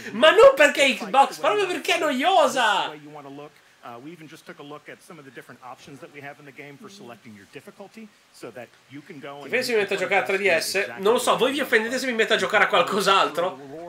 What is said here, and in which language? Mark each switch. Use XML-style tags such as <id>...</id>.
<it>Ma non perché Xbox, proprio perché è noiosa!</it> <en>We even just took a look at some of the different options that we have in the game for selecting your difficulty so that you can go and</en> <it>se mi metto a giocare a 3DS, non lo so, voi vi offendete se mi metto a giocare a qualcos'altro?</it>